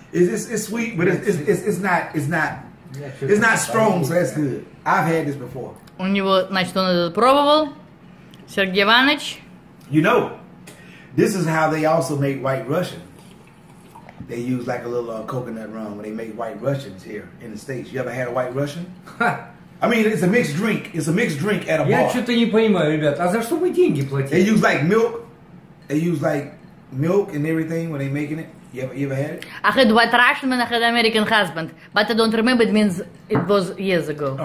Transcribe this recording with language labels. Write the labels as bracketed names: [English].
[English] It's sweet, but it's not strong, so that's good. I've had this before. [Russian] У него, значит, он это пробовал. Сергей Иванович. [English] You know, this is how they also make white Russian. They use like a little coconut rum when they make white Russians here in the States. You ever had a white Russian? I mean, it's a mixed drink. It's a mixed drink at a [Russian] Я [English] bar. [Russian] Я что-то не понимаю, ребят. А за что вы деньги платите? [English] They use like milk. They use like milk and everything when they making it. You ever had it? I had white Russian when I had American husband. But I don't remember. It means it was years ago.